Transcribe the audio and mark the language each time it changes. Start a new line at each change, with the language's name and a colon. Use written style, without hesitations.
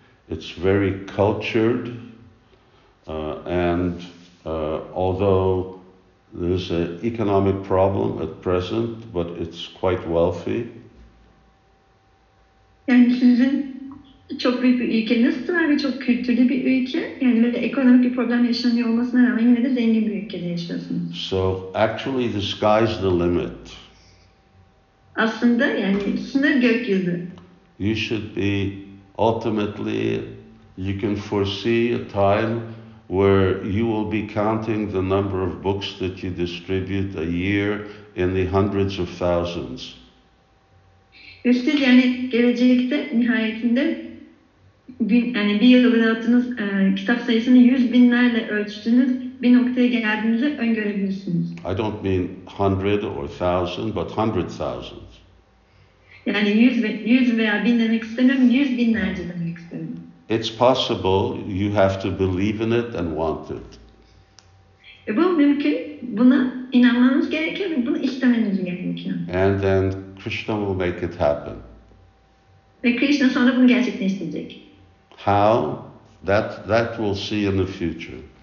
English: It's very cultured. Although there's an economic problem at present, but it's quite wealthy.
Turkish: Yani sizin çok büyük bir ülkeniz var ve çok kültürlü bir ülke. Yani böyle ekonomik bir problem yaşanıyor olmasına rağmen yine de zengin bir ülkede yaşıyorsunuz.
English: So actually the sky's the limit.
Turkish: Aslında yani sınır gökyüzü.
English: You should be ultimately, you can foresee a time where you will be counting the number of books that you distribute a year in the hundreds of thousands.
Turkish: Üstelik yani gelecekte nihayetinde yani bir yıl dağıttığınız kitap sayısını yüz binlerle ölçtüğünüz bir noktaya geldiğinizi öngörebilirsiniz.
English: I don't mean hundred or thousand, but hundred thousands.
Turkish: Yani yüz veya bin demek istemiyorum, yüz binlerce demek istemiyorum.
English: It's possible, you have to believe in it and want it.
Turkish: Bu mümkün, buna inanmanız gerekiyor ve bunu istemeniz gerekiyor.
English: And then Krishna will make it happen.
Turkish: Ve Krishna sonra bunu gerçekleştirecek.
English: How? That we'll see in the future.